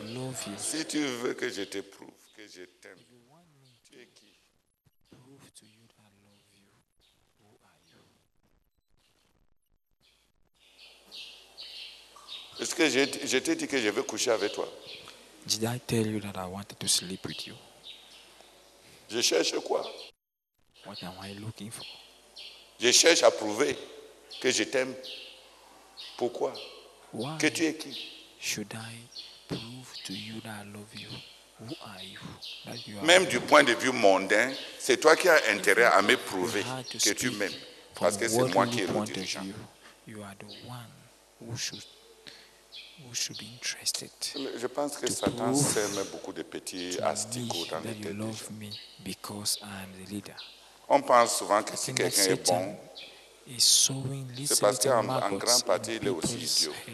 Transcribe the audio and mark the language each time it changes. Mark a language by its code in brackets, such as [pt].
[en] I love you. [fr] Si tu veux que je t'éprouve, que je t'aime, [en] if you want me, [fr] tu es qui? [en] Prove to you that I love you. Who are you? [fr] Est-ce que je t'ai dit que je veux coucher avec toi? [en] Did I tell you that I wanted to sleep with you? [fr] Je cherche quoi? [en] What am I looking for? [fr] Je cherche à prouver que je t'aime. Pourquoi? [en] Why [fr] que tu es qui? [en] Should I prove to you that I love you? Who are you? That you are [fr] même du point de vue mondain, c'est toi qui as intérêt à me prouver que tu m'aimes, parce que c'est moi qui ai le dirigeant. [en] You are the one who should be interested. [fr] Je pense que Satan sème beaucoup de petits asticots dans les têtes. [en] You love me because I am the leader. [fr] On pense souvent que si quelqu'un est bon, c'est parce qu'en grande partie, il est aussi idiot.